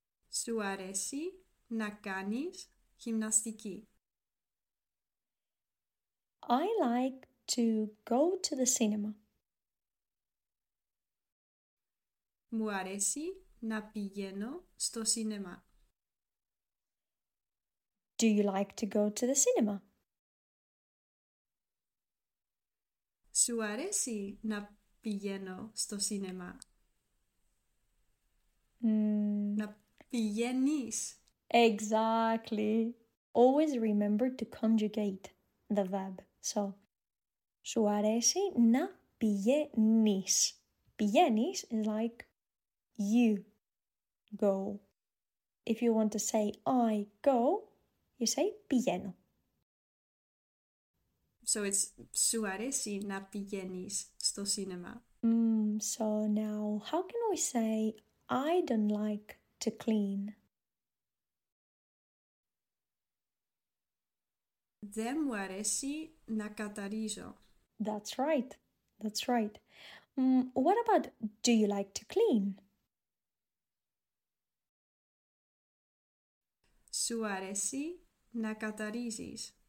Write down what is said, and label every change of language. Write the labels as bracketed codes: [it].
[el] Σου αρέσει να κάνεις γυμναστική. [en] I like to go to the cinema. [el] Μου αρέσει να πηγαίνω στο σινεμά. [en] Do you like to go to the cinema? [el] Σου αρέσει να πηγαίνω στο σινεμά. Να πηγαίνεις. [en] Exactly. Always remember to conjugate. the verb. So, [el] σου αρέσει να πηγαίνεις. Πηγαίνεις [en] is like you go. If you want to say I go, you say [el] πηγαίνω. [en] So it's [el] σου αρέσει να πηγαίνεις στο σίνεμα. [en] So now, how can we say I don't like to clean? [el] Δεν μου αρέσει να καθαρίζω. [en] That's right. That's right. What about do you like to clean? [el] Σου αρέσει να καθαρίζεις.